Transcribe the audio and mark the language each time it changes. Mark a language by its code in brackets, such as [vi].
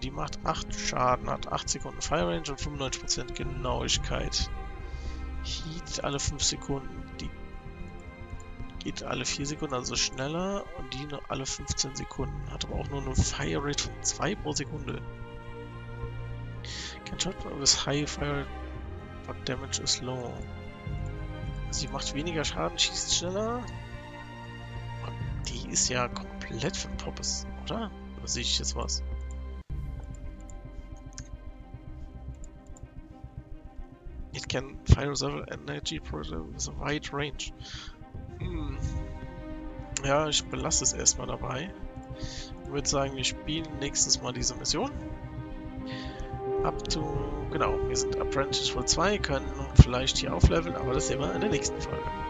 [de] Die macht 8 Schaden, hat 8 Sekunden Fire Range und 95% Genauigkeit. Heat alle 5 Sekunden. Die geht alle 4 Sekunden, also schneller, und die nur alle 15 Sekunden. Hat aber auch nur eine Fire Rate von 2 pro Sekunde. [en] Can't shot with high fire rate, but damage is low. [de] Sie macht weniger Schaden, schießt schneller. Und die ist ja komplett für Poppes, oder? Da sehe ich jetzt was. [en] It can fire several energy products with a wide range. [de] Ja, ich belasse es erstmal dabei. Ich würde sagen, wir spielen nächstes Mal diese Mission. Up to... Genau, wir sind Apprentice Level 2, können vielleicht hier aufleveln, aber das sehen wir in der nächsten Folge.